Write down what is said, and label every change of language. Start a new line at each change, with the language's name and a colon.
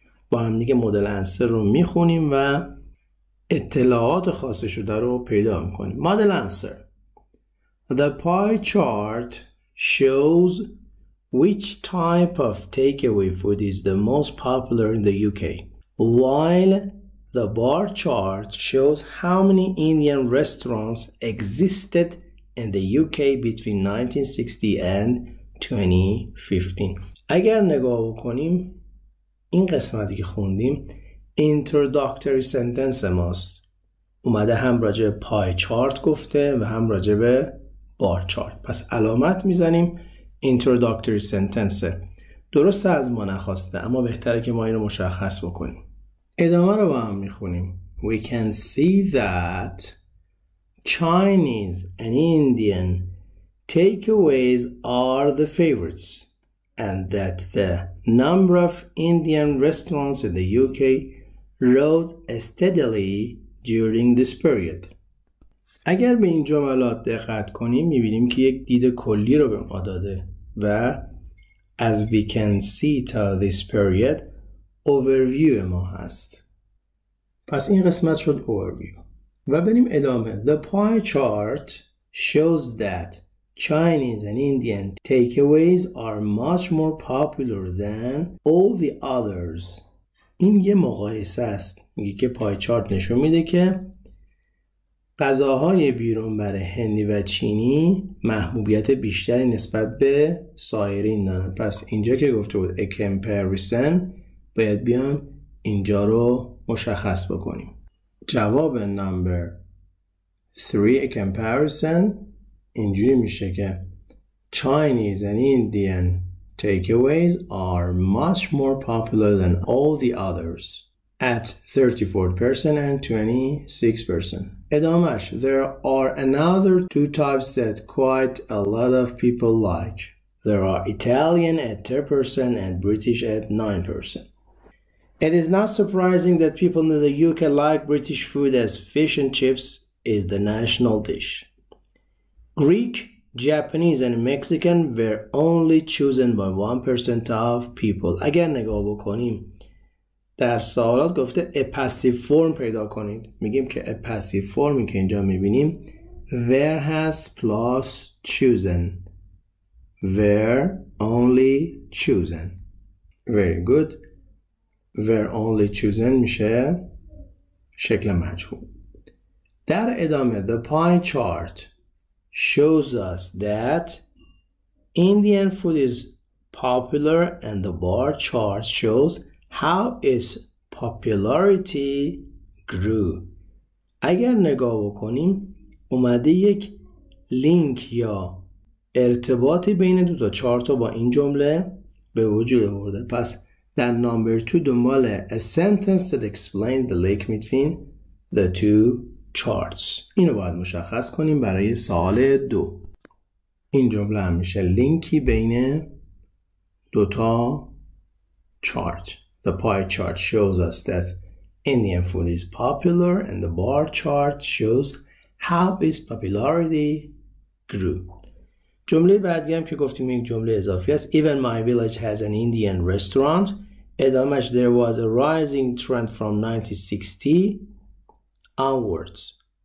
Persian: با هم دیگه مدل انسر رو میخونیم و اطلاعات خاص شده رو پیدا میکنیم. مدل انسر
English: The pie chart shows which type of takeaway food is the most popular in the UK. While the bar chart shows how many Indian restaurants existed in the UK between 1960 and 2015.
Persian: اگر نگاه بکنیم این قسمتی که خوندیم introductory sentence ماست. اومده هم راجع به پای چارت گفته و هم راجع به بار چارت. پس علامت میزنیم introductory sentence. درسته از ما نخواسته اما بهتره که ما این رو مشخص بکنیم. ادامه رو با هم میخونیم.
English: We can see that Chinese and Indian takeaways are the favorites. And that the number of Indian restaurants in the UK rose steadily during this period.
Persian: اگر به این جملات دقت کنیم میبینیم که یک دید کلی رو به ما داده و
English: as we can see to this period
Persian: overview ما هست. پس این قسمت شد overview. و بریم ادامه.
English: The pie chart shows that Chinese and Indian takeaways are much more popular than all the others.
Persian: این یه مقایسه است. میگه که پای چارت نشون میده که غذاهای بیرون بر هندی و چینی محبوبیت بیشتری نسبت به سایرین دارن. پس اینجا که گفته بود a comparison باید بیان اینجا رو مشخص بکنیم. جواب
English: number 3 a comparison
Persian: اینجوری میشه که
English: Chinese and Indian takeaways are much more popular than all the others at 34% and 26%.
Persian: ادامش.
English: There are another two types that quite a lot of people like. There are Italian at 10% and British at 9%. It is not surprising that people in the UK like British food, as fish and chips is the national dish. Greek, Japanese and Mexican were only chosen by 1% of people.
Persian: اگر نگاه بکنیم در سوالات گفته a passive form پیدا کنید. میگیم که a passive formی که اینجا میبینیم
English: where has plus chosen. Were only chosen. Very good. Were only chosen
Persian: میشه شکل مجهول. در ادامه
English: the pie chart shows us that Indian food is popular and the bar chart shows how its popularity grew.
Persian: اگر نگاه بکنیم اومده یک لینک یا ارتباطی بین دو تا چارت با این جمله به وجود آورده. پس در نمبر 2 دنبال
English: a sentence that explains the link between the two charts.
Persian: اینو باید مشخص کنیم برای سوال 2. این جمله هم میشه لینکی بین دو تا چارت.
English: The pie chart shows us that Indian food is popular and the bar chart shows how its popularity grew.
Persian: جمله بعدی هم که گفتیم یک جمله اضافی است.
English: Even my village has an Indian restaurant.
Persian: ادامش
English: there was a rising trend from 1960 onwards.